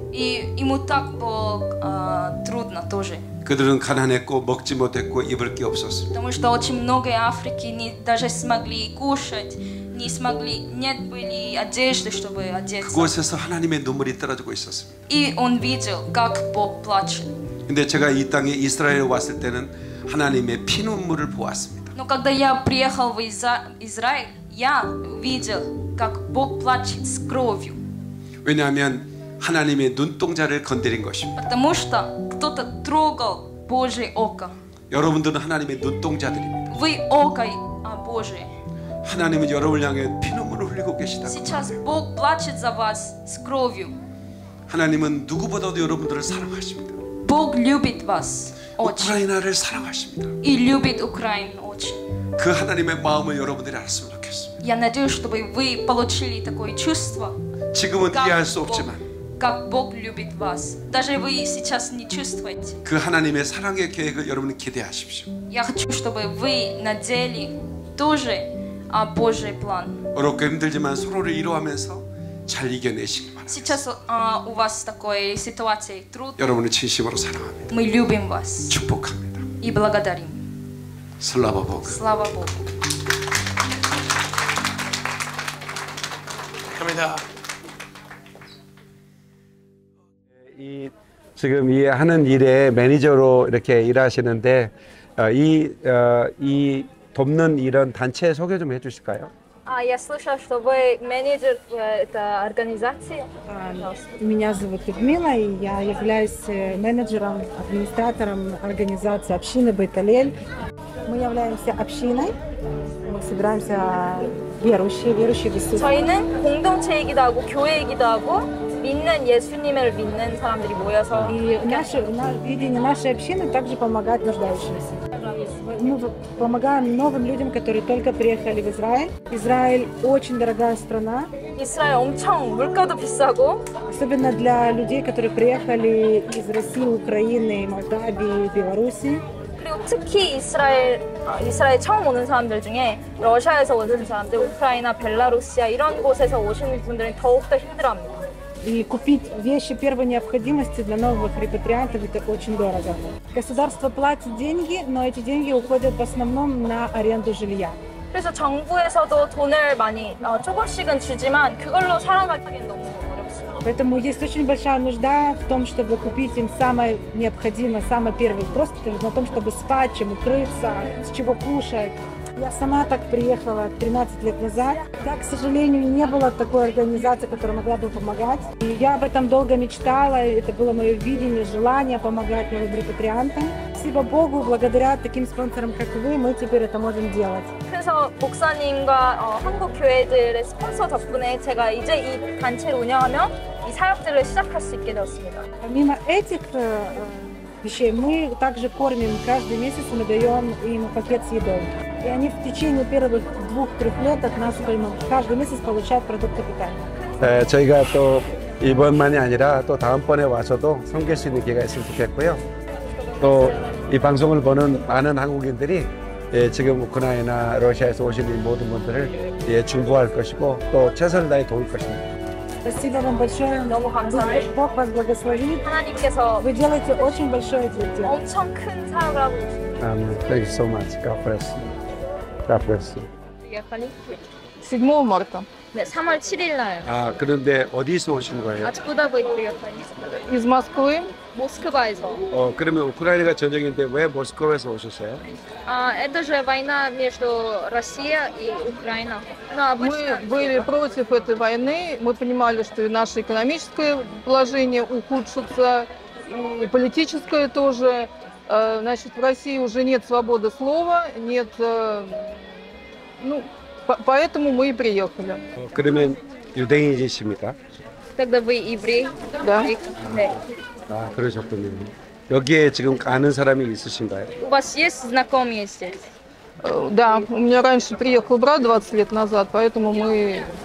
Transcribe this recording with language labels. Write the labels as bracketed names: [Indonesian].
[Russian] 이 ему так было трудно тоже. [Korean] 그들은 가난했고 먹지 못했고 입을 게 없었습니다. [Russian] Потому что очень многие Африки не даже смогли кушать, не смогли, нет были одежды, чтобы одеться. [Korean] 그곳에서 하나님의 눈물이 떨어지고 있었습니다. [Russian] И он видел, как Бог плачет. [Korean] 근데 제가 이 땅에 이스라엘 왔을 때는 하나님의 피눈물을 보았습니다. [Russian] Но когда я приехал в Израиль, я видел, как Бог плачет с кровью. [Korean] 왜냐하면 하나님의 눈동자를 건드린 것입니다. [Russian] Потому что кто-то трогал Божье око. [Korean] 여러분들은 하나님의 눈동자들입니다. [Russian] Вы око Божие. [Korean] 하나님은 여러분을 향해 피눈물을 흘리고 계시다. [Russian] Сейчас Бог плачет за вас с кровью. [Korean] 하나님은 누구보다도 여러분들을 사랑하십니다. [Russian] Бог любит вас очень. [Korean] 우크라이나를 사랑하십니다. [Russian] И любит Украину очень. [Korean] 그 하나님의 마음을 여러분들이 알았으면 좋겠습니다. [Russian] Я надеюсь, чтобы вы получили такое чувство. [Korean] 지금은 이해할 수 없지만 [Russian] как Бог любит вас. Даже вы сейчас не чувствуете. [Korean] 그 하나님의 사랑의 계획을 여러분이 기대하십시오. [Russian] Я хочу, чтобы вы надели тоже Божий план. [Korean] 어렵고 힘들지만 서로를 위로하면서 잘 이겨내시길 바랍니다. [Russian] Сейчас у вас такой ситуации труд. [Korean] 여러분을 진심으로 사랑합니다. [Russian] Мы любим вас. [Korean] 축복합니다. [Russian] И благодарим. Слава Богу. Слава Богу. [Korean] 감사합니다. 지금 이 하는 일에 매니저로 이렇게 일하시는데 이 돕는 이런 단체 소개 좀 해주실까요? [Russian] 아, я слышал, что вы менеджер этой организации. Меня зовут Людмила, и я являюсь менеджером, администратором организации общины Бет-Элель. Мы являемся общиной. Мы собираемся верующие выступать. [Korean] 저희는 공동체이기도 하고 교회이기도 하고. 믿는 예수님을 믿는 사람들이 모여서 [Russian] 이 나 наша община также помогать нуждающимся. Мы помогаем новым людям, которые только приехали в Израиль. Израиль очень дорогая страна. [Korean] Израиль 엄청 물가도 비싸고. [Russian] Особенно для людей, которые приехали из России, Украины, Молдавии, Беларуси. [Korean] 그리고 특히 이스라엘 처음 오는 사람들 중에 러시아에서 오는 사람들, 우크라이나, 벨라루시아 이런 곳에서 오시는 분들은 더욱 더 힘들어합니다. [Russian] И купить вещи первой необходимости для новых репатриантов – это очень дорого. Государство платит деньги, но эти деньги уходят в основном на аренду жилья. 그래서 정부에서도 돈을 많이 조금씩은 주지만 그걸로 살아가기는 너무 어렵습니다. Поэтому есть очень большая нужда в том, чтобы купить им самое необходимое, самое первое. Просто на том, чтобы спать, чем укрыться, с чего кушать. Я сама так приехала 13 лет назад. Так, к сожалению, не было такой организации, которая могла бы помогать. И я об этом долго мечтала. Это было мое видение, желание помогать новым репатриантам. Спасибо Богу, благодаря таким спонсорам, как вы, мы теперь это можем делать. [Korean] 그래서 목사님과 한국 교회들의 스폰서 덕분에 제가 이제 이 단체를 운영하며 이 사역들을 시작할 수 있게 되었습니다. 미나 에틱 вещей. [Russian] Мы также кормим каждый месяц, мы даем им пакет с едой. И они в течение первых 2-3 лет от нас поймут. Каждый месяц получают продукты питания. [Korean] 저희가 또 이번만이 아니라 또 다음번에 와서도 섬길 수 있는 기회가 있으면 좋겠고요. 또 이 방송을 보는 많은 한국인들이 지금 우크라이나 러시아에서 오신 이 모든 분들을 중보할 것이고 또 최선을 다해 도울 것입니다. [Russian] Спасибо вам большое. Очень благодарна. Бог вас благословит. [Korean] 하나님께서 [Russian] вы делаете очень большое дело. [Korean] 엄청 큰 사업을 하고 있습니다. [English] Thank you so much. God bless you. God bless you. [Korean] 약간이 7월 말이죠? 네, 3월 7일 날. 아, 그런데 어디서 오신 거예요? 아직보다 보이고요. [Russian] Из Москвы. [Korean] 모스크바에서. 그러면 우크라이나가 전쟁인데 왜 모스크바에서 오셨어요? [Russian] 아, это же война между Россией и Украиной. Мы были против этой войны. Мы понимали, что и наше экономическое положение ухудшится, и политическое тоже. Значит, в России уже нет свободы слова, нет... Ну, поэтому мы и приехали. [Korean] 그러면 유대인이십니까? [Russian] Тогда вы еврей? Да. [Korean] 아, 그러셨군요. 여기에 지금 아는 사람이 있으신가요? [Russian] У вас есть знакомые здесь? Да, у меня раньше приехал брат 20 лет назад, поэтому мы...